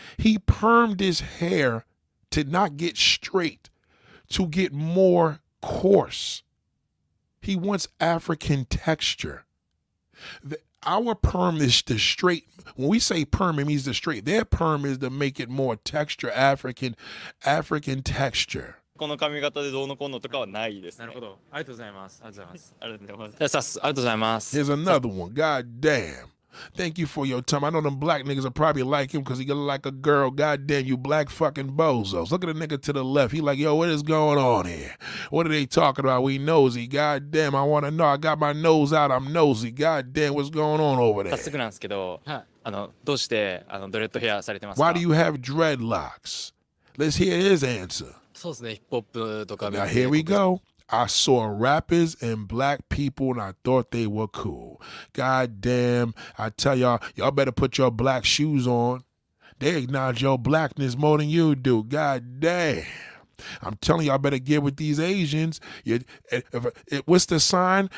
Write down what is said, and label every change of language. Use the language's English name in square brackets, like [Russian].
[English] He permed his hair to not get straight, to get more coarse. He wants African texture. Our perm is the straight. When we say perm, it means the straight. Their perm is to make it more texture, African texture. [Japanese] ありがとうございます。ありがとうございます。ありがとうございます。ありがとうございます。ありがとうございます。 [English] Here's another one. God damn. Thank you for your time. I know them black niggas will probably like him because he look like a girl. God damn, you black fucking bozos. Look at the nigga to the left. He like, yo, what is going on here? What are they talking about? We nosy. God damn, I want to know. I got my nose out. I'm nosy. God damn, what's going on over there? [Japanese] どうしてドレッドヘアされてますか? [English] Why do you have dreadlocks? Let's hear his answer. [Japanese] そうですね、ヒップホップとか。Now [English] here we go. I saw rappers and black people and I thought they were cool. God damn, I tell y'all better put your black shoes on. They acknowledge your blackness more than you do. God damn. I'm telling y'all better get with these Asians. What's the sign?